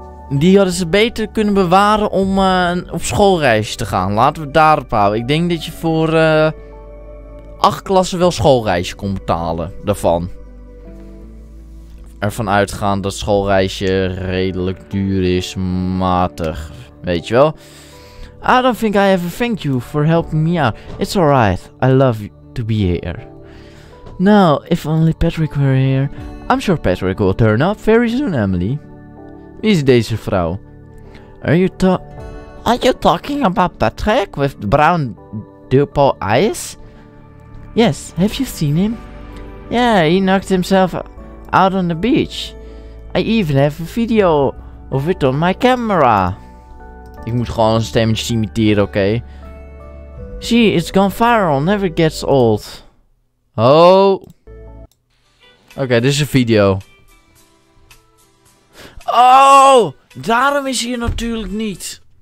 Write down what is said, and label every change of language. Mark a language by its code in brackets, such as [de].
[nl] Die hadden ze beter kunnen bewaren om op schoolreisje te gaan. Laten we het daarop houden. Ik denk dat je voor 8 klassen wel schoolreisje kon betalen daarvan. Ervan uitgaan dat schoolreisje redelijk duur is, matig. Weet je wel? [en] I don't think I ever thank you for helping me out. It's alright. I love to be here. Now, if only Patrick were here. I'm sure Patrick will turn up very soon, Emily. [nl] Wie is deze vrouw? [en] Are you talking about Patrick with the brown dupal eyes? Yes, have you seen him? Yeah, he knocked himself out on the beach. I even have a video of it on my camera. [nl] Ik moet gewoon een stemmetje imiteren, oké? [en] See, it's gone viral, never gets old. Oh. [nl] Oké, dit is een video. Oh, daarom is hij natuurlijk niet.